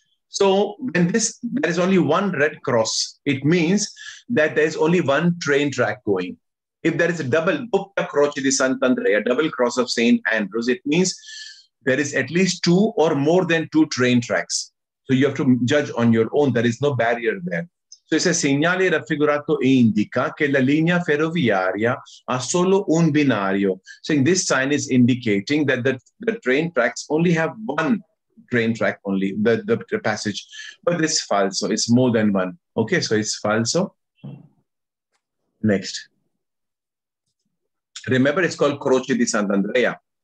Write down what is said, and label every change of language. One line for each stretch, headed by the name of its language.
English: So when there is only one red cross, it means that there's only one train track going. If there is a double
Italian: doppia croce di Sant'Andrea,
English: double cross of St. Andrew's, it means there is at least two or more than two train tracks. So you have to judge on your own. There is no barrier there.
Italian: So it says, segnale raffigurato indica che la linea ferroviaria ha solo un binario.
English: Saying this sign is indicating that the train tracks only have one train track only, the passage. But it's falso. It's more than one. Okay, so it's falso. Next. Remember, it's called Croce di Sant'Andrea.